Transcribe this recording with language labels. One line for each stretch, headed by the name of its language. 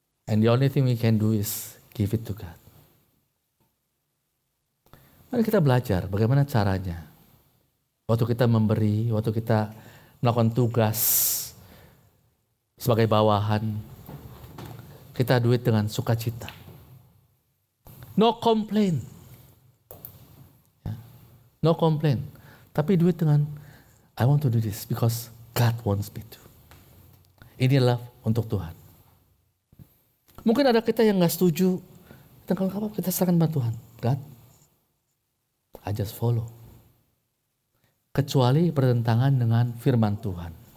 English: And the only thing we can do is give it to God.
Indonesian: Mari kita belajar bagaimana caranya. Waktu kita memberi, waktu kita melakukan tugas sebagai bawahan, kita
English: do it
Indonesian: dengan sukacita.
English: No complain. No complain.
Indonesian: Tapi
English: do it dengan, I want to do this because God wants me to.
Indonesian: Ini love untuk Tuhan. Mungkin ada kita yang gak setuju. Kita serahkan kepada Tuhan.
English: God, I just follow.
Indonesian: Kecuali bertentangan dengan firman Tuhan.